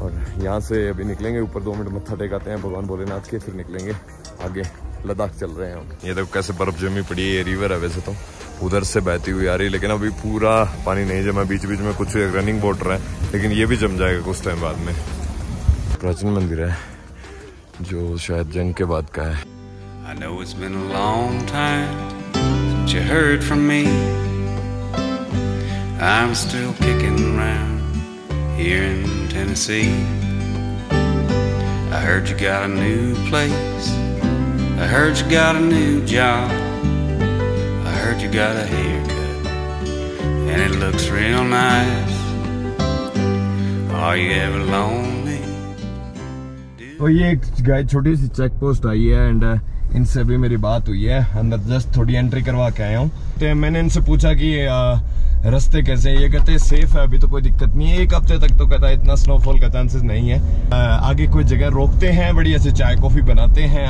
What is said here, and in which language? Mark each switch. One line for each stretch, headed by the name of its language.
Hindi: और यहाँ से अभी निकलेंगे, ऊपर दो मिनट मत्था टेकाते हैं भगवान भोलेनाथ के, फिर निकलेंगे आगे लद्दाख चल रहे हैं। ये देखो कैसे बर्फ जमी पड़ी है, ये रिवर है वैसे तो उधर से बहती हुई आ रही, लेकिन अभी पूरा पानी नहीं जमा, बीच बीच में कुछ रनिंग वॉटर है, लेकिन ये भी जम जाएगा कुछ टाइम बाद में। प्राचीन मंदिर है जो शायद जंग के बाद का है।
English: I know it's been a long time since you heard from me. I'm still kicking around here in Tennessee. I heard you got a new place. I heard you got a new job. I heard you got a haircut and it looks real nice.
Hindi: तो ये guys छोटी सी check post आई है, and इनसे भी मेरी बात हुई है, अंदर जस्ट थोड़ी एंट्री करवा के आया हूँ। तो मैंने इनसे पूछा कि रास्ते कैसे हैं, ये कहते हैं सेफ है, अभी तो कोई दिक्कत नहीं है, एक हफ्ते तक तो कहता है इतना स्नोफॉल का चांसेस नहीं है, आगे कोई जगह रोकते हैं, बढ़िया से चाय कॉफी बनाते हैं।